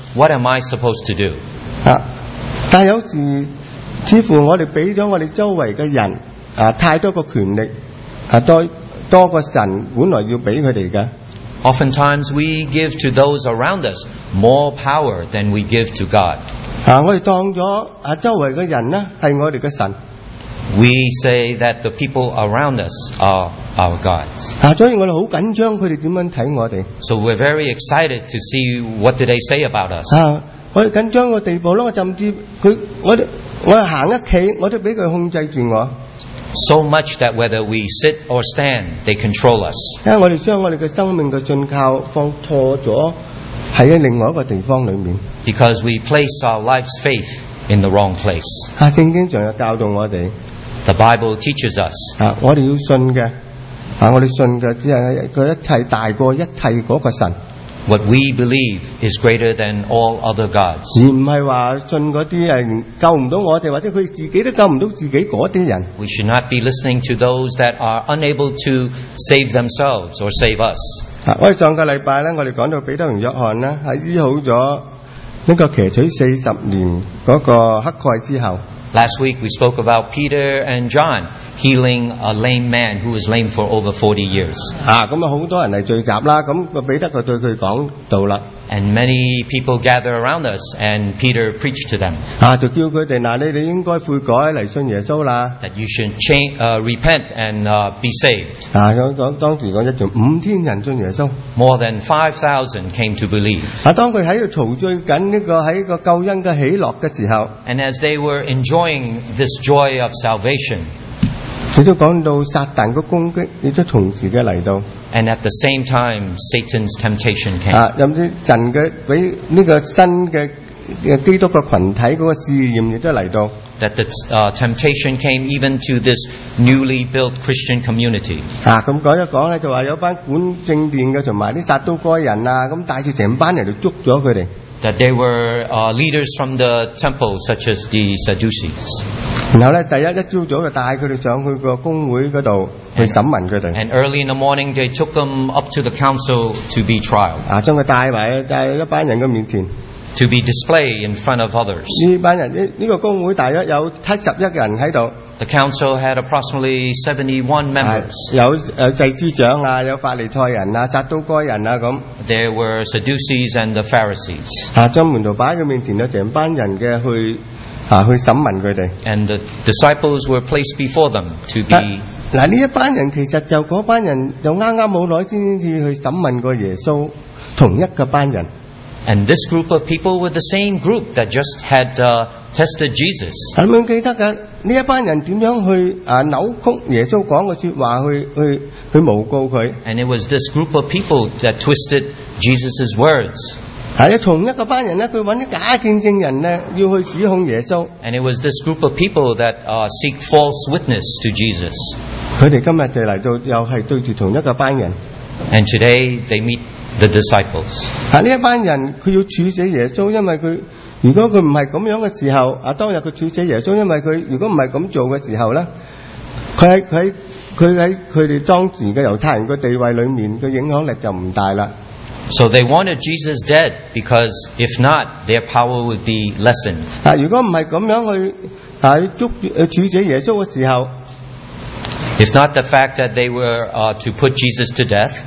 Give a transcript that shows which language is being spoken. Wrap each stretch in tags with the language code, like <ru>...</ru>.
<en>？What am I supposed to do？</en> <yue>啊。但有时似乎我哋俾咗我哋周围嘅人、啊、太多个权力、啊、多个神本来要俾佢哋嘅。</yue> <en>Oftentimes we give to those around us more power than we give to God、啊。</en> <yue>我哋当咗、啊、周围嘅人咧系我哋嘅神。</yue> <en>We say that the people around us are our gods、啊。</en> <yue>所以我哋好紧张佢哋点样睇我哋。</yue> <en>So we're very excited to see what do they say about us、</en> <yue>啊。我緊張個地步咯，我甚至佢我行一企，我都俾佢控制住我。</yue> <en>So much that whether we sit or stand, they control us。</en> <yue>因為我哋將我哋嘅生命嘅信靠放錯咗喺另外一個地方裏面。</yue> <en>Because we place our life's faith in the wrong place。</en> <yue>啊，聖經上有教導我哋。</yue> <en>The Bible teaches us。</en> <yue>啊，我哋要信嘅，啊，我哋信嘅只係佢一切大過一切嗰個神。</yue> <en>What we believe is greater than all other gods.</en> <yue>而唔系话信嗰啲系救唔到我哋，或者佢自己都救唔到自己嗰啲人。</yue> <en>We should not be listening to those that are unable to save themselves or save us.</en> <yue>啊，我哋上个礼拜咧，我哋讲到彼得同约翰咧，喺医好咗呢个瘸腿四十年嗰个黑盖之后。</yue> <en>Last week we spoke about Peter and John healing a lame man who was lame for over 40 years.</en> <yue>啊，咁啊，好多人嚟聚集啦。咁彼得就对佢讲道啦。</yue> <en>And many people gather around us, and Peter preached to them.</en> <yue>啊，就叫佢哋嗱，你应该悔改嚟信耶稣啦。</yue> <en>That you should repent and be saved.</en> <yue>啊，当时讲一条五千人信耶稣。</yue> <en>More than 5,000 came to believe.</en> <yue>啊，当佢喺度陶醉紧喺个救恩嘅喜乐嘅时候。</yue> <en>And as they were enjoying this joy of salvation.</en> <yue>亦都讲到撒旦嘅攻击，亦都从自己嚟到。</yue> <en>And at the same time, Satan's temptation came.</en> <yue>啊，甚至神嘅俾呢个新嘅基督嘅群体嗰个试验亦都嚟到。</yue> <en>That the temptation came even to this newly built Christian community.</en> <yue>啊，咁讲一讲咧，就话有班管政殿嘅同埋啲撒都该人啊，咁带住成班人嚟捉咗佢哋。</yue> <en>That they were leaders from the temple, such as the Sadducees.</en> <yue>然后咧，第一朝早就带佢哋上去个公会嗰度去审问佢哋。</yue> <en>And early in the morning, they took them up to the council to be tried.</en> <yue>啊，将佢带埋喺一班人嘅面前。</yue> <en>To be displayed in front of others.</en> <yue>呢班人呢个公会大约有71人喺度。</yue> <en>The council had approximately 71 members.</en> <yue>有祭司长啊，有法利赛人啊，撒都该人啊咁。</yue> <en>There were Sadducees and the Pharisees.</en> <yue>啊，将门徒摆喺佢面前，有成班人嘅去去审问佢哋。</yue> <en>And the disciples were placed before them to be.</en> <yue>嗱，呢一班人其实就嗰班人就啱啱冇耐先至去审问过耶稣，同一个班人。</yue> <en>And this group of people were the same group that just had tested Jesus.</en> <yue>咁样记得噶。呢一班人点样去扭曲耶稣讲嘅说话去诬告佢</yue> <en>？And it was this group of people that twisted Jesus's words.</en> <yue>系啊，同一个班人咧，佢揾啲假见证人咧，要去指控耶稣。</yue> <en>And it was this group of people that seek false witness to Jesus.</en> <yue>佢哋今日就嚟到又系对住同一个班人。</yue> <en>And today they meet the disciples.</en> <yue>啊，呢一班人佢要处死耶稣，因为佢。如果佢唔系咁样嘅时候，啊，当日佢处死耶稣，因为佢如果唔系咁做嘅时候咧，佢喺佢哋当时嘅犹太人嘅地位里面嘅影响力就唔大啦。</yue> <en>So they wanted Jesus dead because if not, their power would be lessened。</en> <yue>啊，如果唔系咁样去处死耶稣嘅时候</yue> <en>，If not the fact that they were to put Jesus to death，</en>